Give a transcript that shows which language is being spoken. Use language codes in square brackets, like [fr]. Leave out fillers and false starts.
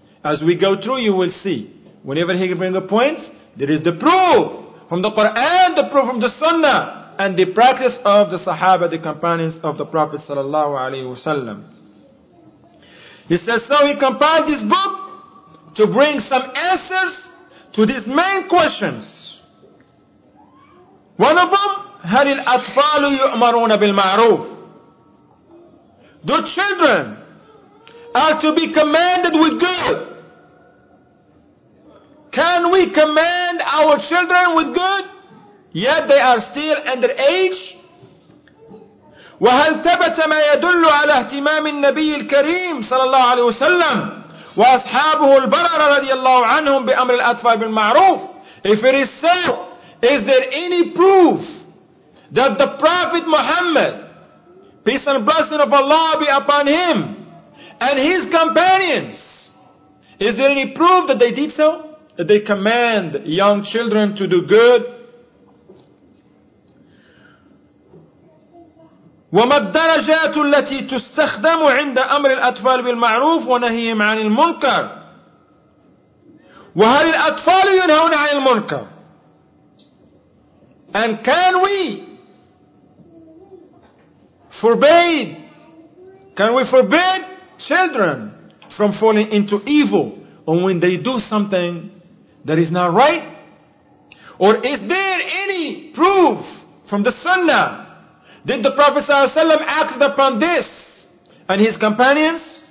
[en] As we go through, you will see. Whenever he brings the points, there is the proof from the Quran, the proof from the Sunnah, and the practice of the Sahaba, the companions of the Prophet sallallahu alaihi wasallam. He says, so he compiled this book to bring some answers to these main questions. One of them, [ar] هَلِ الْأَطْفَالُ يُؤْمَرُونَ بِالْمَعْرُوفِ. [en] The children are to be commanded with good. Can we command our children with good, yet they are still underage? [ar] وَهَلْ تَبَتَ مَا يَدُلُّ عَلَى اهْتِمَامِ النَّبِيِّ الْكَرِيمِ صلى الله عليه وسلم وأصحابه البررة رضي الله عنهم بأمر الأطفال بالمعروف. [en] If it is so, is there any proof that the Prophet Muhammad, peace and blessing of Allah be upon him, and his companions, is there any proof that they did so? That they command young children to do good? [ar] وما الدرجات التي تستخدم عند أمر الأطفال بالمعروف ونهيهم عن المنكر؟ وهل الأطفال ينهون عن المنكر؟ [en] And can we forbid? Can we forbid children from falling into evil, or when they do something that is not right? Or is there any proof from the Sunnah? Did the Prophet ﷺ act upon this and his companions?